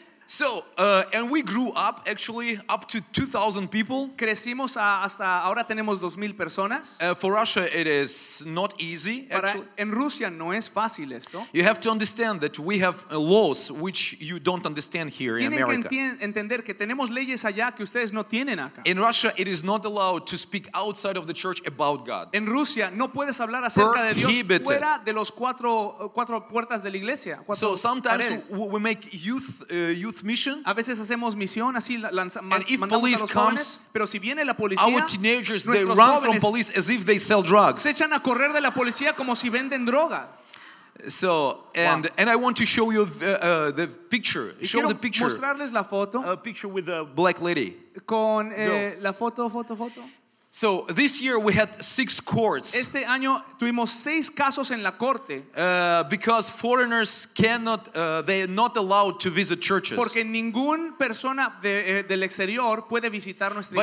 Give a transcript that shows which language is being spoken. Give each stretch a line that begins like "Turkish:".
English: So, and we grew up, actually, up to 2,000 people.
Spanish: Crecimos hasta ahora tenemos 2,000 personas.
English: For Russia, it is not easy, actually.
Spanish: En Rusia no es fácil esto.
English: You have to understand that we have laws which you don't understand here
Spanish: tienen
English: in America.
Spanish: Tienen que entender que tenemos leyes allá que ustedes no tienen acá.
English: In Russia, it is not allowed to speak outside of the church about God.
Spanish: En Rusia, no puedes hablar acerca de Dios fuera de los cuatro puertas de la iglesia.
English: So, sometimes we make youth mission.
Spanish: A veces hacemos misión así
English: and if police comes,
Spanish: jóvenes, pero si viene la policía,
English: our teenagers they run from police as if they sell drugs.
Spanish: Se echan a correr de la policía como si venden droga.
English: So and wow. And I want to show you the picture. Show the picture.
Spanish: Mostrarles la foto.
English: A picture with a black lady.
Spanish: Con la foto.
English: So this year we had 6 courts.
Spanish: Este año tuvimos 6 casos en la corte.
English: Because foreigners cannot, they are not allowed to visit churches.
Spanish: Porque ninguna persona del exterior puede visitar nuestra